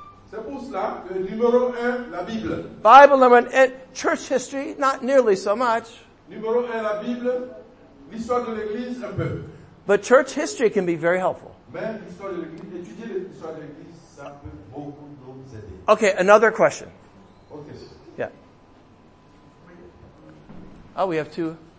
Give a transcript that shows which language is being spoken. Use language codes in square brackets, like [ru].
[fr] C'est pour cela que numéro un, la Bible. [en] Bible number one, and church history, not nearly so much. [fr] Numéro un, la Bible, l'histoire de l'Église, un peu. [en] But church history can be very helpful. [fr] Mais l'histoire de l'Église, étudier l'histoire de l'Église, ça peut beaucoup nous aider. [en] Okay, another question. Okay. Yeah. Oh, we have two.